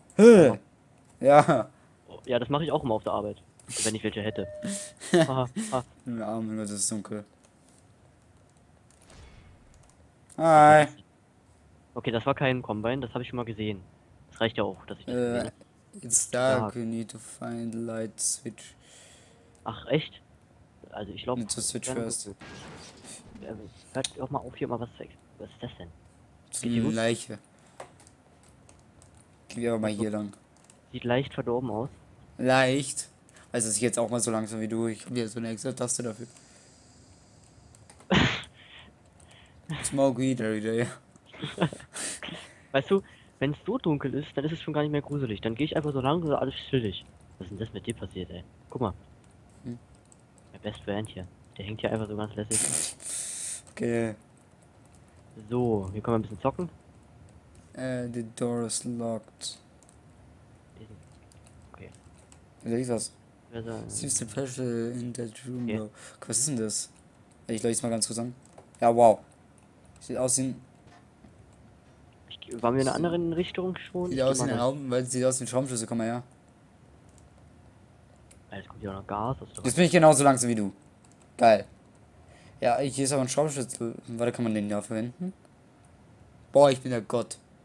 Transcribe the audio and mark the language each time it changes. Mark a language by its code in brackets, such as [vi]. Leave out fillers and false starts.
[de] Ja. Ja, das mache ich auch immer auf der Arbeit. Wenn ich welche hätte. Ah, ah. Ja, mein Gott, das ist dunkel. Hi. Okay, das war kein Combine, das habe ich schon mal gesehen. Das reicht ja auch, dass ich das sehe. [en] It's dark, you need to find the light switch. [de] Ach, echt? Also, ich glaube. [en] Need to switch first. [de] Hört doch mal auf hier, mal was zu explodieren. Was ist das denn? Die Leiche. Gehen wir aber mal hier lang. Sieht leicht verdorben aus. Leicht? Also ist jetzt auch mal so langsam wie du. Ich hab hier so eine extra Taste dafür. [en] Smoke weed every day. [de] Weißt du, wenn es so dunkel ist, dann ist es schon gar nicht mehr gruselig. Dann gehe ich einfach so lang und alles chillig. Was ist denn das mit dir passiert, ey? Guck mal. Hm? Der Best Friend hier. Der hängt hier einfach so ganz lässig. Okay. So, hier können wir ein bisschen zocken. [en] The door is locked. Okay. [de] Was ist das? Süße [en] Special in that room, okay. Though. [de] Was ist denn das? Ich leuchte mal ganz kurz an. Ja, wow. Sieht aus wie ein. Waren wir in einer anderen Richtung schon? Sieht aus wie ein Raum, weil sieht aus wie ein Schraubenschlüssel, komm mal her. Jetzt kommt hier auch noch Gas. Jetzt bin ich genauso langsam wie du. Geil. Ja, hier ist aber ein Schraubenschlüssel. Warte, kann man den da verwenden? Boah, ich bin der Gott.